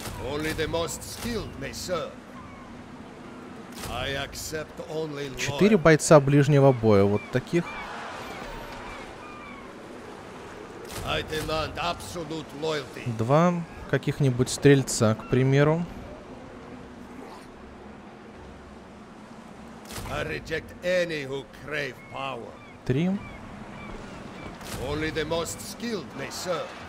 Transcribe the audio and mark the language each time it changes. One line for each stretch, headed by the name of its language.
English: Only the most skilled may serve. I accept only loyal.
Russian: 4 бойца ближнего боя. Вот таких.
English: I demand absolute loyalty.
Russian: 2 каких-нибудь стрельца, к примеру.
English: I reject any who crave power. 3. Only the most skilled may serve.